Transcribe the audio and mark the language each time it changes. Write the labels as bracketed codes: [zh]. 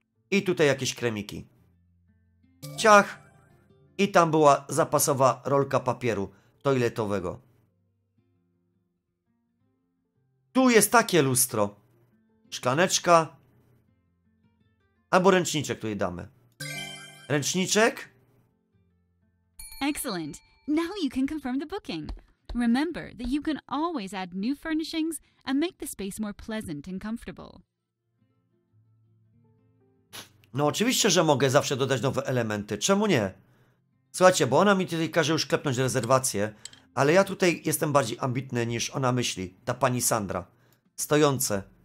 [pl] I tutaj jakieś kremiki. Ciach. I tam była zapasowa rolka papieru toiletowego. Tu jest takie lustro. Szklaneczka. Albo ręczniczek tutaj damy. Ręczniczek. [en] Excellent. Now you can confirm the booking. Remember that you can always add new furnishings and make the space more pleasant and comfortable. [pl] No oczywiście, że mogę zawsze dodać nowe elementy. Czemu nie? Słuchajcie, bo ona mi tutaj każe już klepnąć rezerwację, ale ja tutaj jestem bardziej ambitny niż ona myśli, ta pani Sandra. Stojące.